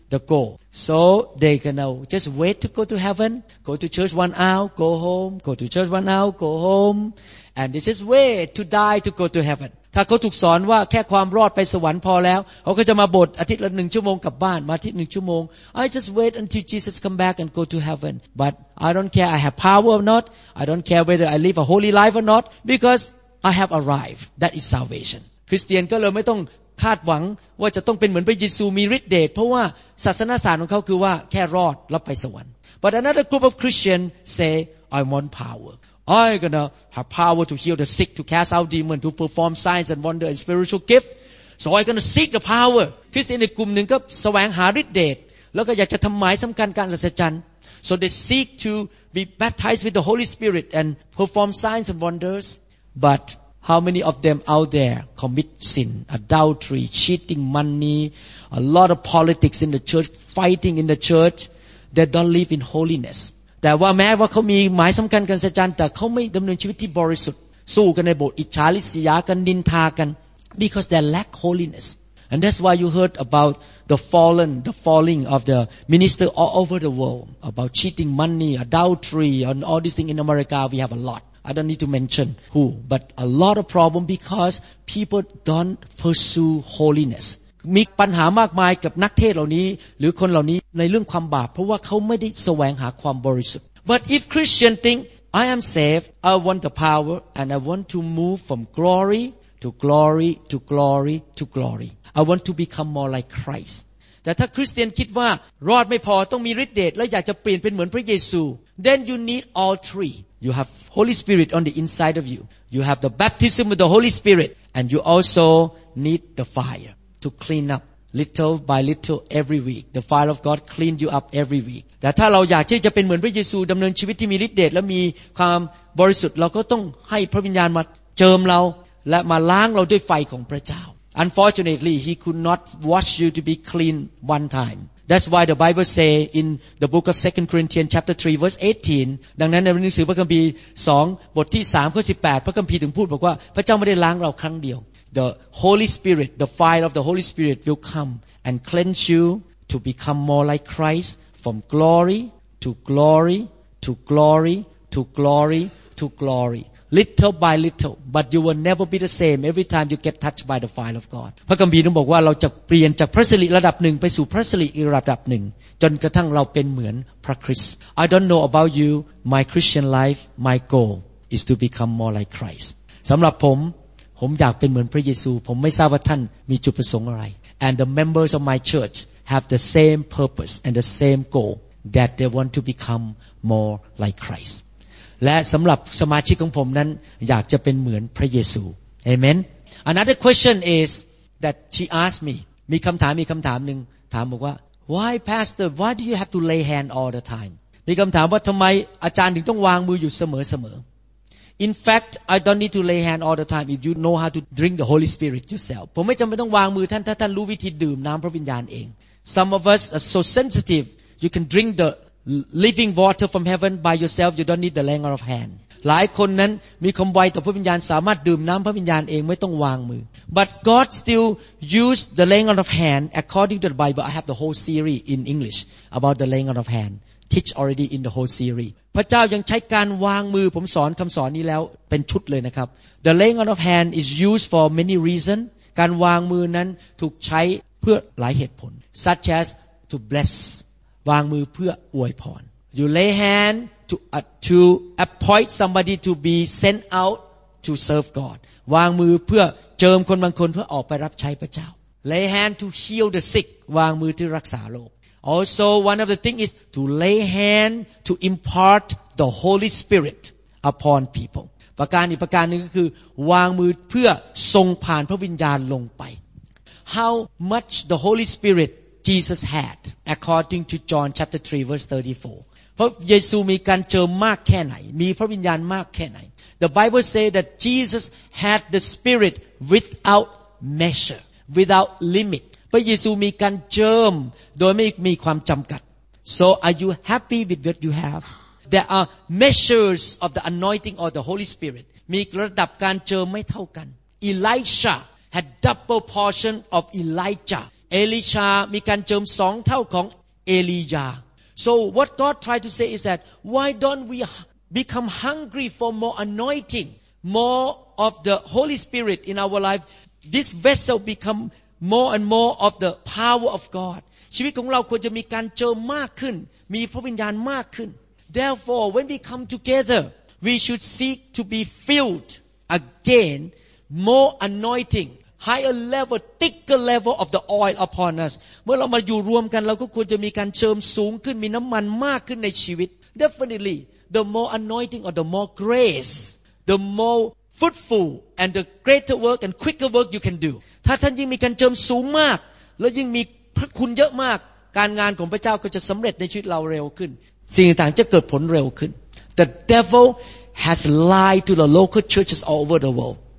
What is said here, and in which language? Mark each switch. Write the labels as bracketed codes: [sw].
[en] the goal. So they can now just wait to go to heaven, go to church 1 hour, go home, go to church 1 hour, go home, and they just wait to die to go to heaven. [th] ถ้าเขาถูกสอนว่าแค่ความรอดไปสวรรค์พอแล้วเขาก็จะมาบทอาทิตย์ละ1ชั่วโมงกลับบ้านมาอาทิตย์1ชั่วโมง [en] I just wait until Jesus come back and go to heaven. But I don't care I have power or not. I don't care whether I live a holy life or not because I have arrived. That is salvation. [th] คริสเตียนก็เลยไม่ต้องคาดหวังว่าจะต้องเป็นเหมือนพระเยซูมีฤทธิ์เดชเพราะว่าศาสนศาสตร์ของเขาคือว่าแค่รอดแล้วไปสวรรค์ [en] But another group of Christians say I want power I gonna have power to heal the sick to cast out demons to perform signs and wonder and spiritual gift so I gonna seek the power [th] คริสเตียนในกลุ่มหนึ่งก็แสวงหาฤทธิ์เดชแล้วก็อยากจะทำหมายสำคัญการอัศจรรย์ [en] so they seek to be baptized with the Holy Spirit and perform signs and wonders butHow many of them out there commit sin, adultery, cheating money, a lot of politics in the church, fighting in the church, they don't live in holiness. [th] แต่ว่าแม้ว่าเขามีหมายสำคัญกันสัจจันแต่เขาไม่ดำเนินชีวิตที่บริสุทธิ์สู้กันในโบสถ์อิจฉาริษยากันนินทากัน [en] because they lack holiness. And that's why you heard about the falling of the minister all over the world, about cheating money, adultery, and all these things in America, we have a lot. I don't need to mention who, but a lot of problem because people don't pursue holiness. [th] มีปัญหามากมายกับนักเทศเหล่านี้หรือคนเหล่านี้ในเรื่องความบาปเพราะว่าเขาไม่ได้แสวงหาความบริสุทธิ์ [en] But if Christian think I am saved, I want the power, and I want to move from glory to glory to glory to glory. I want to become more like Christ. [th] แต่ถ้าคริสเตียนคิดว่ารอดไม่พอต้องมีฤทธิ์เดชและอยากจะเปลี่ยนเป็นเหมือนพระเยซู [en] Then you need all three. You have Holy Spirit on the inside of you. You have the baptism with the Holy Spirit. And you also need the fire to clean up little by little every week. The fire of God cleans you up every week. [th] แต่ถ้าเราอยากที่จะเป็นเหมือนพระเยซูดำเนินชีวิตที่มีฤทธิ์เดชและมีความบริสุทธิ์เราก็ต้องให้พระวิญญาณมาเจิมเราและมาล้างเราด้วยไฟของพระเจ้า [en] Unfortunately, he could not wash you to be clean one time. That's why the Bible say in the book of 2 Corinthians chapter 3 verse 18 [th] ดังนั้นในหนังสือพระคัมภีร์2บทที่3ข้อ18พระคัมภีร์ถึงพูดบอกว่าพระเจ้าไม่ได้ล้างเราครั้งเดียว [en] The Holy Spirit the fire of the Holy Spirit will come and cleanse you to become more like Christ from glory to glory to glory to glory to glory little by little but you will never be the same every time you get touched by the fire of God [th] พระคัมภีร์นั้นบอกว่าเราจะเปลี่ยนจากพระสิริระดับหนึ่งไปสู่พระสิริอีกระดับหนึ่งจนกระทั่งเราเป็นเหมือนพระคริสต์ [en] I don't know about you my Christian life my goal is to become more like Christ [th] สำหรับผมอยากเป็นเหมือนพระเยซูผมไม่ทราบว่าท่านมีจุดประสงค์อะไร [en] and the members of my church have the same purpose and the same goal that they want to become more like Christ [th] และสำหรับสมาชิกของผมนั้นอยากจะเป็นเหมือนพระเยซูเอเมน [en] Another question is that she asked me [th] มีคำถามนึงถามบอกว่า [en] Why pastor why do you have to lay hand all the time [th] มีคำถามว่าทำไมอาจารย์ถึงต้องวางมืออยู่เสมอ [en] ๆ In fact I don't need to lay hand all the time if you know how to drink the Holy Spirit yourself [th] ผมไม่จำเป็นต้องวางมือท่านถ้าท่านรู้วิธีดื่มน้ำพระวิญญาณเอง [en] Some of us are so sensitive you can drink theliving water from heaven by yourself you don't need the laying of hand [th] หลายคนนั้นมีความไวต่อพระวิญญาณสามารถดื่มน้ำพระวิญญาณเองไม่ต้องวางมือ [en] but God still use the laying of hand according to the Bible I have the whole series in English about the laying of hand teach already in the whole series [th] พระเจ้ายังใช้การวางมือผมสอนคำสอนนี้แล้วเป็นชุดเลยนะครับ [en] the laying of hand is used for many reason [th] การวางมือนั้นถูกใช้เพื่อหลายเหตุผล [en] such as to blessw [th] างมือเพื่ออวยพร [en] You lay hand to appoint somebody to be sent out to serve God [th] วางมือเพื่อเจิมคนบางคนเพื่อออกไปรับใช้พระเจ้า [en] Lay hand to heal the sick [th] วางมือที่รักษาโรค [en] Also one of the thing is to lay hand to impart the Holy Spirit upon people [th] ประการอีกประการนึงก็คือวางมือเพื่อทรงผ่านพระวิญญาณลงไป [en] How much the Holy SpiritJesus had, according to John chapter 3 verse 34. [th] พระเยซูมีการเจิมมากแค่ไหนมีพระวิญญาณมากแค่ไหน [en] The Bible says that Jesus had the Spirit without measure, without limit. [th] พระเยซูมีการเจิมโดยไม่มีความจำกัด [en] So are you happy with what you have? There are measures of the anointing of the Holy Spirit. [th] มีระดับการเจิมไม่เท่ากัน [en] Elisha had double portion of Elijah. [th] Elisha มีการเจิมสองเท่าของ Elijah. [en] So what God tried to say is that why don't we become hungry for more anointing, more of the Holy Spirit in our life? This vessel become more and more of the power of God. [th] ชีวิตของเราควรจะมีการเจิมมากขึ้นมีพระวิญญาณมากขึ้น [en] Therefore, when we come together, we should seek to be filled again, more anointing. Higher level, thicker level of the oil upon us. [th] เมื่อเรามาอยู่รวมกันเราก็ควรจะมีการเจิมสูงขึ้นมีน้ำมันมากขึ้นในชีวิต [en] Definitely, the more anointing or the more grace, the more fruitful and the greater work and quicker work you can do. [th] ถ้าท่านยิ่งมีการเจิมสูงมากและยิ่งมีพระคุณเยอะมากการงานของพระเจ้าก็จะสำเร็จในชีวิตเราเร็วขึ้นสิ่งต่างๆจะเกิดผลเร็วขึ้น [en] The devil has lied to the local churches all over the world.